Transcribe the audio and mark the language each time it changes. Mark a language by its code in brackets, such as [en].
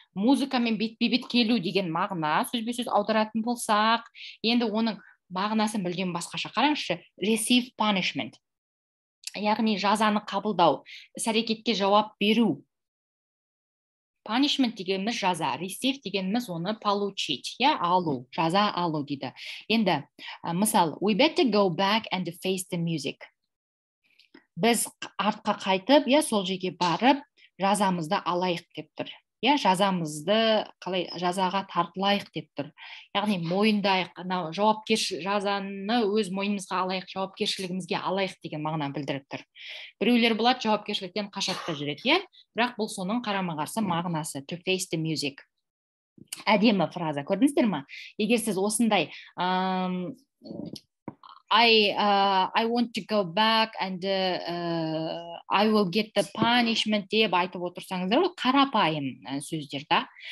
[kk] Музыкамен бетпе-бет келу деген мағына сөзбе-сөз аударатын болсақ, енді оның мағынасын мүлдем басқаша қараңызшы. [en] Receive punishment. [kk] Яғни жазаны қабылдау, іс-әрекетке жауап беру. Punishment дегеніміз жаза, receive дегеніміз оны получить, я алу, жаза алу дейді. Енді, мысал, [en] we better go back and face the music. [kk] Біз артқа қайтып, я сол жеге барып, жазамызды алайық деп тұр. Я жазамызды қалай жазаға тартылайық деп тұр. Яғни мойындайық, анау жауапкерші жазаны өз мойнымызға алайық, жауапкершілігімізге алайық деген мағына білдіріп тұр. Біреулер болады жауапкершіліктен қашып та жүреді, бірақ бұл соның қарама-қарсы мағынасы. [en] To face the music. [kk] Әдемі фраза, көрдіңіздер ма? Егер сіз осындай [en] I want to go back and I will get the punishment [kk] деп айтып отырсаңыздар, ол қарапайым сөздер, да?